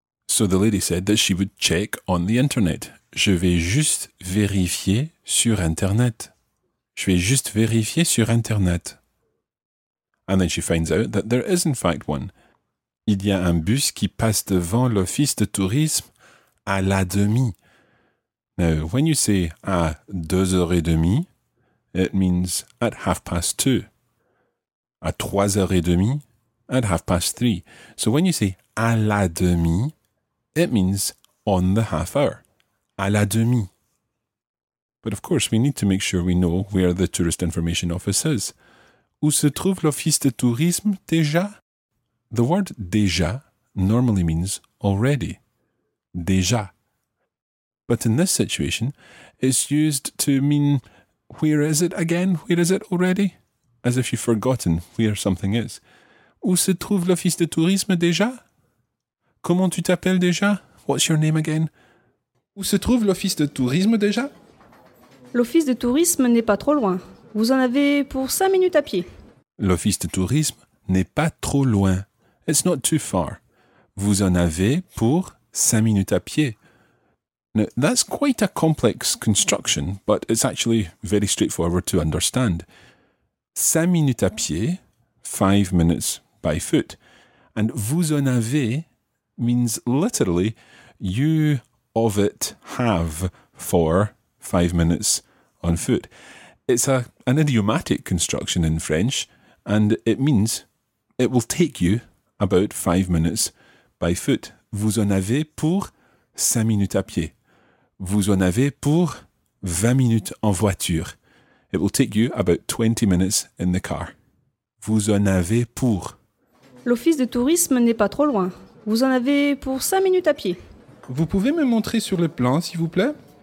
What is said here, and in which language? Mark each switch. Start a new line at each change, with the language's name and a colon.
English: So the lady said that she would check on the Internet.
French: Je vais juste vérifier sur Internet. Je vais juste vérifier sur Internet.
English: And then she finds out that there is in fact one.
French: Il y a un bus qui passe devant l'office de tourisme à la demi.
English: Now, when you say
French: à 2h30,
English: it means at 2:30.
French: À 3h30,
English: at 3:30. So when you say
French: à la demi,
English: it means on the half hour.
French: À la demi.
English: But of course, we need to make sure we know where the tourist information office is.
French: Où se trouve l'office de tourisme déjà?
English: The word déjà normally means already. Déjà. But in this situation, it's used to mean where is it again? Where is it already? As if you've forgotten where something is.
French: Où se trouve l'office de tourisme déjà? Comment tu t'appelles déjà?
English: What's your name again?
French: Où se trouve l'office de tourisme déjà? L'office de tourisme n'est pas trop loin. Vous en avez pour 5 minutes à pied. L'office de tourisme n'est pas trop loin.
English: It's not too far.
French: Vous en avez pour 5 minutes à pied.
English: Now, that's quite a complex construction, but it's actually very straightforward to understand.
French: 5 minutes à pied,
English: 5 minutes by foot. And
French: vous en avez
English: means literally you of it have for 5 minutes on foot. It's an idiomatic construction in French, and it means it will take you about 5 minutes by foot.
French: Vous en avez pour 5 minutes à pied. Vous en avez pour 20 minutes en voiture.
English: It will take you about 20 minutes in the car.
French: Vous en avez pour. L'office de tourisme n'est pas trop loin. Vous en avez pour 5 minutes à pied. Vous pouvez me montrer sur le plan, s'il vous plaît?